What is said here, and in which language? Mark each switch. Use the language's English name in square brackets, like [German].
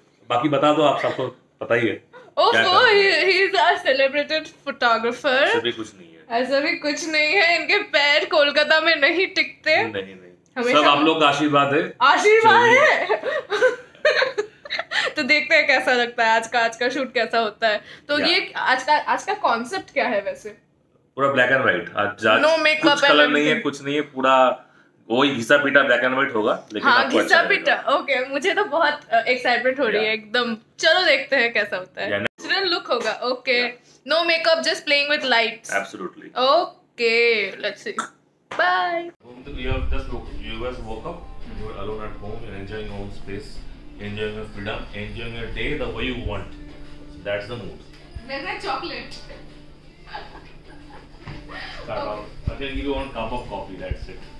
[Hindi] बाकी बता दो आप सबको पता ही है. [English] Oh, he is a celebrated photographer. [Hindi] ऐसा भी कुछ नहीं है. ऐसा भी कुछ नहीं है. इनके पैर कोलकाता में नहीं टिकते. नहीं नहीं. सब आप लोग का आशीर्वाद है. आशीर्वाद है. तो देखते हैं कैसा लगता है आज का शूट कैसा होता है. तो ये आज का कॉन्सेप्ट क्या है वैसे? पूरा ब्लैक एंड व्हाइट. आज [English] no makeup [Hindi] कुछ कलर नहीं है कुछ नहीं है पूरा वही घिसा पीटा ब्लैक एंड व्हाइट होगा लेकिन हाँ, घिसा पीटा. ओके मुझे तो बहुत एक्साइटमेंट हो रही है एकदम. चलो देखते हैं कैसा होता है. नेचुरल लुक होगा. [English] Okay no makeup just playing with lights. Absolutely. Okay let's see. Bye. You have just you have woke up you are alone at home and enjoying your own space enjoying your freedom enjoying your day the way you want that's the mood. There is chocolate. Okay. I can give you one cup of coffee, that's it.